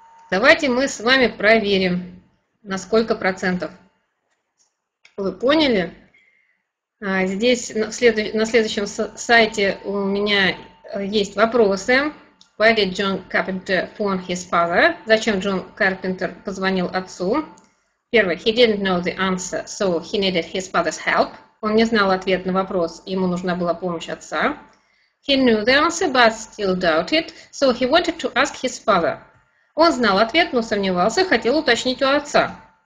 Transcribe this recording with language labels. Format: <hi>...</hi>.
<ru>Давайте мы с вами проверим, на сколько процентов вы поняли. Здесь на следующем сайте у меня есть вопросы.</ru> <en>Why did John Carpenter phone his father?</en> <ru>Зачем Джон Карпентер позвонил отцу? Первое.</ru> <en>He didn't know the answer, so he needed his father's help.</en> <ru>Он не знал ответ на вопрос, ему нужна была помощь отца.</ru> <en>He knew the answer, but still doubted, so he wanted to ask his father.</en> <ru>Он знал ответ, но сомневался, хотел уточнить у отца.</ru>